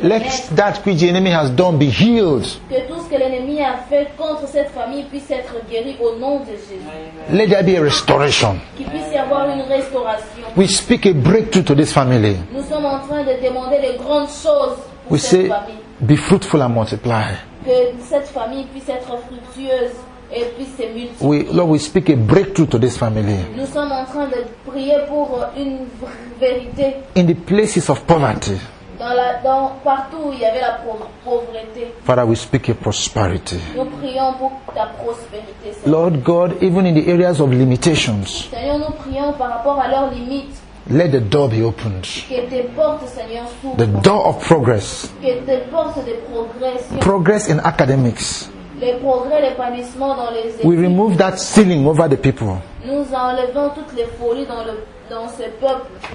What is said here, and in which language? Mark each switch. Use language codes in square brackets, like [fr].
[en] Let that which the enemy has done be healed. [fr] Que tout ce que l'ennemi a fait contre cette famille puisse être guéri au nom de Jésus. [en] Let there be a restoration. [fr] Qu'il puisse y avoir une restauration. [en] We speak a breakthrough to this family. [fr] Nous sommes en train de demander des grandes choses pour [en] we [fr] cette [en] say, [fr] famille. [en] Be fruitful and multiply. [fr] Que cette famille puisse être fructueuse. [en] We, Lord, we speak a breakthrough to this family. [fr] Nous sommes en train de prier pour une vérité. [en] In the places of poverty. [fr] Dans partout où il y avait la pauvreté. [en] Father, we speak a prosperity. [fr] Nous prions pour ta prospérité. [en] Lord God, even in the areas of limitations. [fr] Seigneur, nous prions par rapport à leurs limites. [en] Let the door be opened. The door of progress. [fr] Que tes portes de progrès. [en] Progress in academics. [fr] Les progrès, l'épanouissement dans les églises. [en] We remove that ceiling over the people. [fr] Nous enlevons toutes les folies dans ce peuple.